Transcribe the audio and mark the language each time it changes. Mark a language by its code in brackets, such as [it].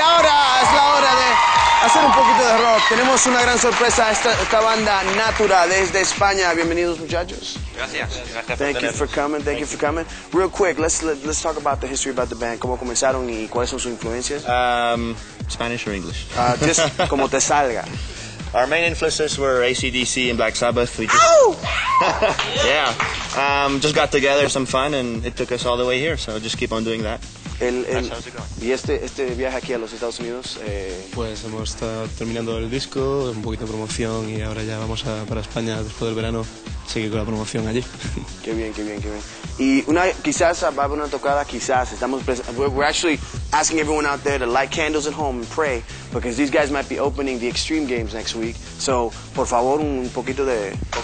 [es] Ahora es la hora de hacer un poquito de rock. Tenemos una gran sorpresa, esta banda NATURA desde España. Bienvenidos, muchachos. Gracias. [en] Thank you for coming. Real quick, let's talk about the history about the band. [es] ¿Cómo comenzaron y cuáles son sus influencias? [en] Spanish or English? [es] Just como te salga. [en] Our main influences were AC/DC and Black Sabbath. We just, ow! Yeah. Just got together, some fun, and it took us all the way here. So just keep on doing that. [es] ¿Y este viaje aquí a los Estados Unidos? Pues hemos estado terminando el disco, un poquito de promoción y ahora ya vamos para España después del verano, seguir con la promoción allí. Qué bien. Y quizás va a haber una tocada, quizás, [en] we're actually asking everyone out there to light candles at home and pray, because these guys might be opening the Extreme Games next week, so [es] por favor un poquito de...